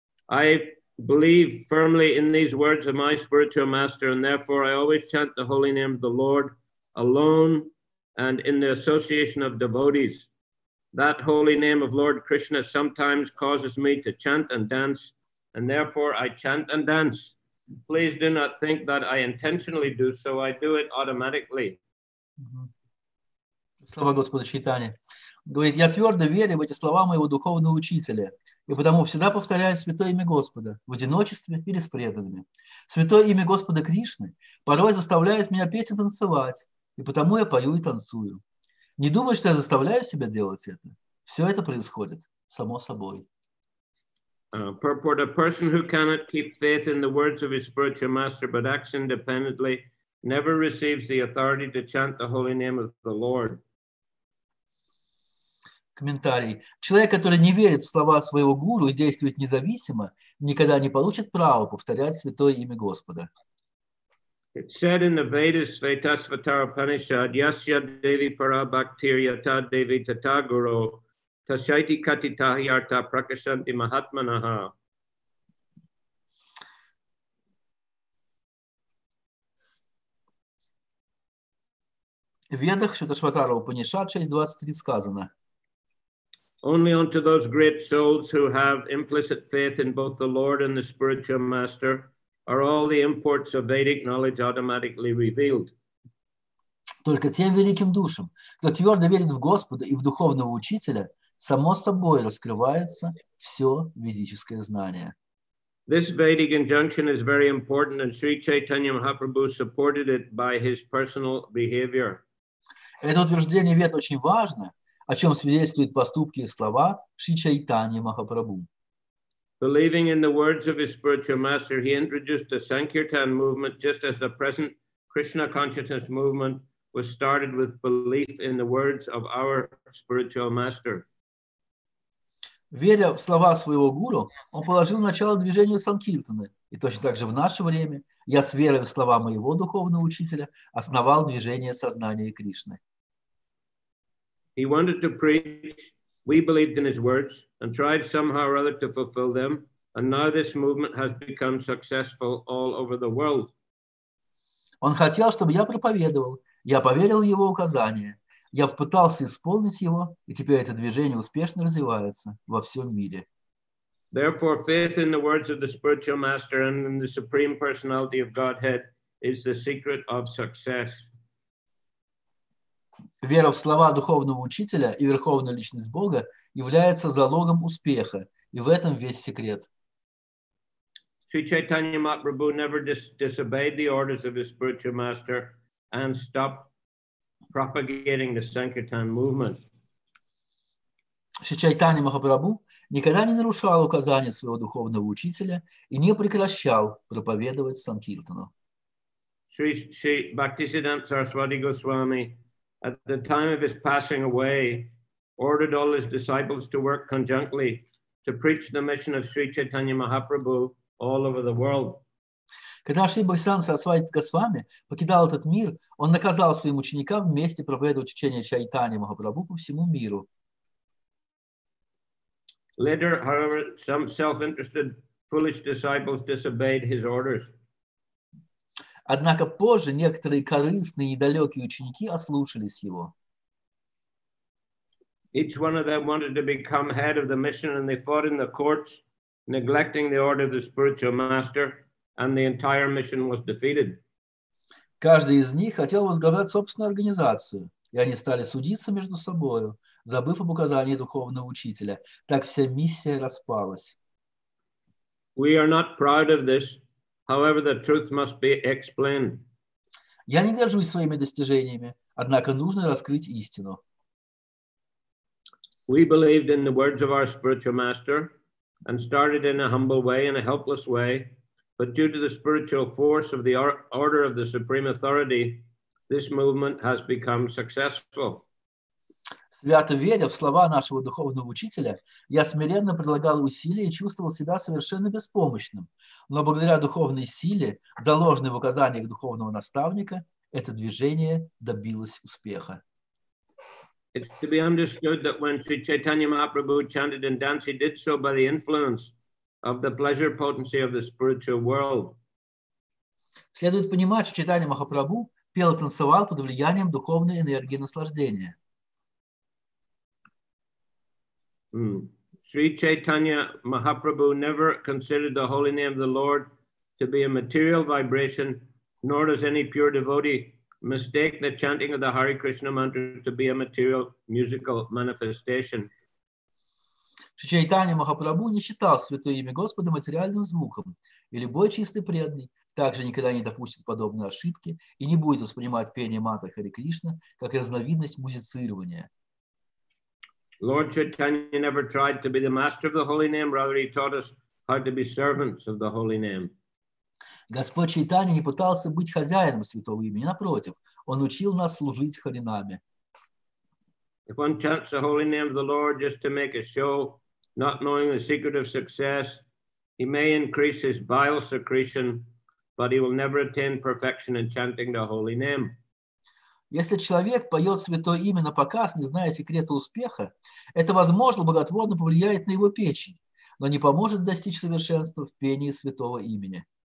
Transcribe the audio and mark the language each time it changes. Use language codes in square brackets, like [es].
[en] I believe firmly in these words of my spiritual master, and therefore I always chant the holy name of the Lord alone and in the association of devotees. That holy name of Lord Krishna sometimes causes me to chant and dance, and therefore I chant and dance. Please do not think that I intentionally do so. I do it automatically. [ru] Слава Господу Чайтанье. Говорит, я твердо верю в эти слова моего духовного учителя, и потому всегда повторяю святое имя Господа в одиночестве или с преданными. Святое имя Господа Кришны порой заставляет меня петь и танцевать, и потому я пою и танцую. Не думай, что я заставляю себя делать это. Все это происходит само собой. [en] Purport: a person who cannot keep faith in the words of his spiritual master but acts independently never receives the authority to chant the holy name of the Lord. [ru] Комментарий: человек, который не верит в слова своего гуру и действует независимо, никогда не получит права повторять святое имя Господа. [en] It said in the Vedas, Svetasvatara Upanishad, [sa] Yasya Devi Parabhaktirya Ta Devi Tataguro, Tashaiti Katitahyarta Prakashanti Mahatmanaha. [ru] Ведах Шватасватара Упанишад 6.23 сказано. [en] Only unto those great souls who have implicit faith in both the Lord and the spiritual master are all the imports of Vedic knowledge automatically revealed. [ru] Только тем великим душам, кто твердо верит в Господа и в духовного учителя, само собой раскрывается все ведическое знание. [en] This Vedic injunction is very important, and Sri Chaitanya Mahaprabhu supported it by his personal behavior. [ru] Это утверждение вед очень важно, о чем свидетельствуют поступки и слова Шри Чайтаньи Махапрабху. [en] Believing in the words of his spiritual master, he introduced the Sankirtan movement just as the present Krishna consciousness movement was started with belief in the words of our spiritual master. [ru] Веря в слова своего гуру, он положил начало движению Санкиртаны. И точно так же в наше время я с верой в слова моего духовного учителя основал движение сознания Кришны. [en] He wanted to preach. We believed in his words and tried somehow or other to fulfill them. And now this movement has become successful all over the world. [ru] Он хотел, чтобы я проповедовал. Я поверил в его указания. Я попытался исполнить его, и теперь это движение успешно развивается во всем мире. [en] Therefore, faith in the words of the spiritual master and in the supreme personality of Godhead is the secret of success. [ru] Вера в слова духовного учителя и верховную личность Бога является залогом успеха, и в этом весь секрет. [en] Sri Chaitanya Mahaprabhu never disobeyed the orders of his spiritual master and stopped propagating the Sankirtan movement. [ru] Sri Chaitanya Mahaprabhu никогда не нарушал указания своего духовного учителя и не прекращал проповедовать Санкиртану. [en] Sri Bhaktisiddhanta Saraswati Goswami at the time of his passing away, ordered all his disciples to work conjunctly to preach the mission of Sri Chaitanya Mahaprabhu all over the world. [ru] Когда Шри Бхактисиддханта Сарасвати Госвами покидал этот мир, он наказал своим ученикам вместе проповедовать учение Чайтанья Махапрабху по всему миру. [en] Later, however, some self-interested foolish disciples disobeyed his orders. [ru] Однако позже некоторые корыстные и недалекие ученики ослушались его. [en] Each one of them wanted to become head of the mission, and they fought in the courts, neglecting the order of the spiritual master, and the entire mission was defeated. [ru] Каждый из них хотел возглавлять собственную организацию, и они стали судиться между собою, забыв об указании духовного учителя. Так вся миссия распалась. [en] We are not proud of this. However, the truth must be explained. [ru] Я не горжусь своими достижениями, однако нужно раскрыть истину. [en] We believed in the words of our spiritual master and started in a humble way, in a helpless way. But due to the spiritual force of the order of the supreme authority, this movement has become successful. [ru] Свято веря в слова нашего духовного учителя, я смиренно предлагал усилия и чувствовал себя совершенно беспомощным. Но благодаря духовной силе, заложенной в указаниях духовного наставника, это движение добилось успеха. [en] It's to be understood that when Sri Chaitanya Mahaprabhu chanted and danced, he did so by the influence of the pleasure potency of the spiritual world. [ru] Следует понимать, что Чайтанья Махапрабху пел и танцевал под влиянием духовной энергии наслаждения. [en] Sri Chaitanya Mahaprabhu never considered the holy name of the Lord to be a material vibration, nor does any pure devotee mistake the chanting of the Hare Krishna mantra to be a material musical manifestation. [ru] Sri Chaitanya Mahaprabhu не считал святое имя Господа материальным звуком, и любой чистый преданный также никогда не допустит подобной ошибки и не будет воспринимать пение мантры Хари Кришна как разновидность музицирования. [en] Lord Chaitanya never tried to be the master of the holy name, rather he taught us how to be servants of the holy name. [ru] Господь Чайтанья не пытался быть хозяином святого имени, напротив, он учил нас служить харинами. [en] If one chants the holy name of the Lord just to make a show, not knowing the secret of success, he may increase his bile secretion, but he will never attain perfection in chanting the holy name. [ru] Если человек поет святое имя напоказ, не зная секрета успеха, это, возможно, благотворно повлияет на его печень, но не поможет достичь совершенства в пении святого имени.